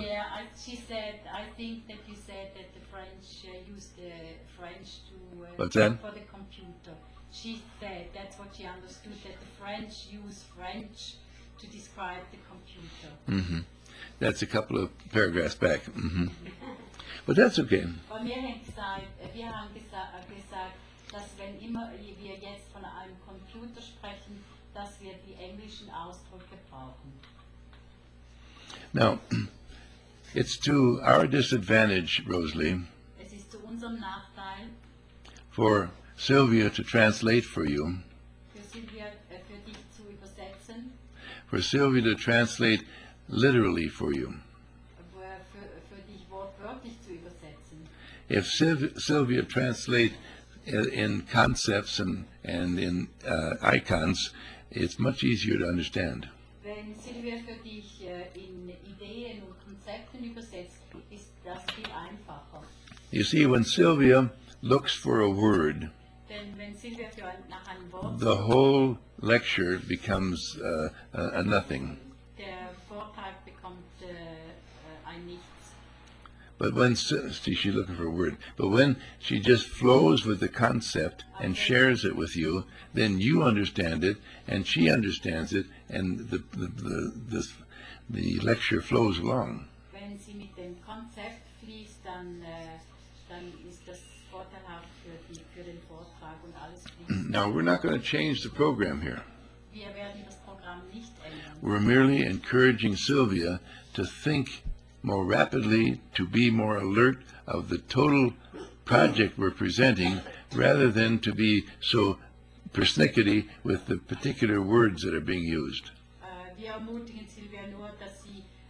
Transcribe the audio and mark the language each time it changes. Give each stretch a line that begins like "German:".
English: I think that you said that the French used the French to for the computer. She said that's what she understood, that the French use French to describe the computer. Mm-hmm. That's a couple of paragraphs back. Mm-hmm. But that's okay.
German: Bei mir haben gesagt, wir haben gesagt, dass wenn immer wir jetzt von einem Computer sprechen, dass wir die englischen Ausdrücke brauchen.
English: Now, it's to our disadvantage, Rosalie,
German: es ist zu unserem Nachteil,
English: for Sylvia to translate for you,
German: für dich zu übersetzen,
English: for Sylvia to translate literally for you.
German: Für dich wortwörtlich zu übersetzen.
English: If Sylvia translate in concepts and in icons, it's much easier to understand.
German: Wenn Silvia für dich in Ideen und Konzepten übersetzt, ist das viel einfacher.
English: You see, when Sylvia looks for a word,
German: denn wenn Silvia für nach einem Wort,
English: the whole lecture becomes a nothing.
German: Der Vortrag bekommt ein Nichts.
English: But when she's looking for a word, but when she just flows with the concept and shares it with you, then you understand it and she understands it, and the lecture flows along.
German: Wenn sie mit dem Konzept fließt, dann ist das vorteilhaft für den Vortrag und alles fließt.
English: Now we're not going to change the program here.
German: Wir werden das Programm nicht ändern.
English: We're merely encouraging Sylvia to think more rapidly, to be more alert of the total project we're presenting, rather than to be so persnickety with the particular words that are being used.
German: Wir ermutigen Silvia nur, dass sie